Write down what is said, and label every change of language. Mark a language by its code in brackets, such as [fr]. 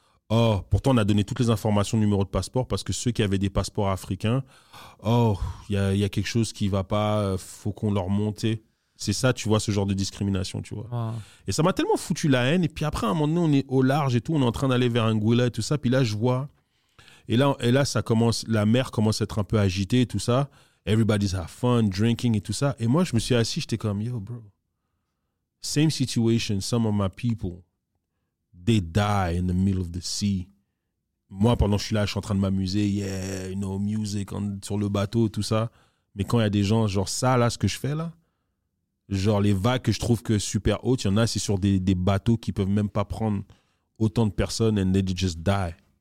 [fr] Oh, pourtant, on a donné toutes les informations, numéro de passeport, parce que ceux qui avaient des passeports africains, oh, il y a quelque chose qui ne va pas, faut qu'on leur monte. C'est ça, tu vois, ce genre de discrimination, tu vois. Wow. Et ça m'a tellement foutu la haine. Et puis après, à un moment donné, on est au large et tout, on est en train d'aller vers Anguilla et tout ça. Puis là, je vois... Et là, ça commence, la mer commence à être un peu agitée et tout ça. [en] Everybody's have fun, drinking [fr] et tout ça. Et moi, je me suis assis, j'étais comme, yo, bro. [en] Same situation, some of my people, they die in the middle of the sea. [fr] Moi, pendant que je suis là, je suis en train de m'amuser. [en] Yeah, you know, music on, [fr] sur le bateau, tout ça. Mais quand il y a des gens, genre ça, là, ce que je fais là, genre les vagues que je trouve que super hautes, il y en a, c'est sur des bateaux qui peuvent même pas prendre autant de personnes [en] and they just die.